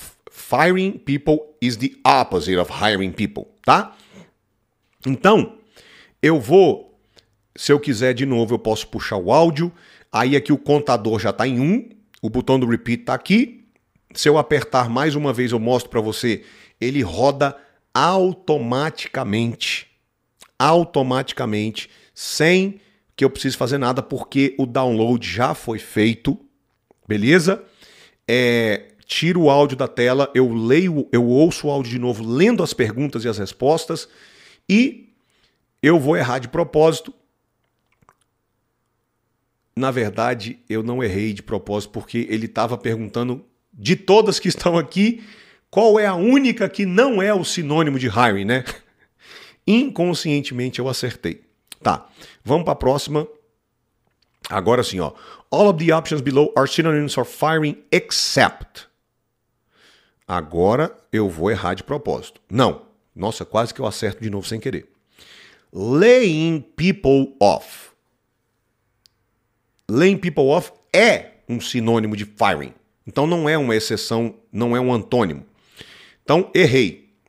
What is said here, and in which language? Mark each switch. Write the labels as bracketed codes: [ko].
[en] Firing people is the opposite of hiring people. [pt] Tá? Então, eu vou... Se eu quiser de novo, eu posso puxar o áudio. Aí aqui o contador já está em 1. O botão do repeat está aqui. Se eu apertar mais uma vez, eu mostro para você. Ele roda automaticamente. Automaticamente. Sem que eu precise fazer nada, porque o download já foi feito. Beleza? Tiro o áudio da tela. Eu leio, eu ouço o áudio de novo, lendo as perguntas e as respostas. E eu vou errar de propósito. Na verdade, eu não errei de propósito, porque ele estava perguntando, de todas que estão aqui, qual é a única que não é o sinônimo de hiring, né? Inconscientemente, eu acertei. Tá, vamos para a próxima. Agora sim, ó. [en] All of the options below are synonyms for firing, except. [pt] Agora eu vou errar de propósito. Não. Nossa, quase que eu acerto de novo sem querer. [en] Laying people off. Laying people off [pt] é um sinônimo de firing. Então não é uma exceção, não é um antônimo. Então errei.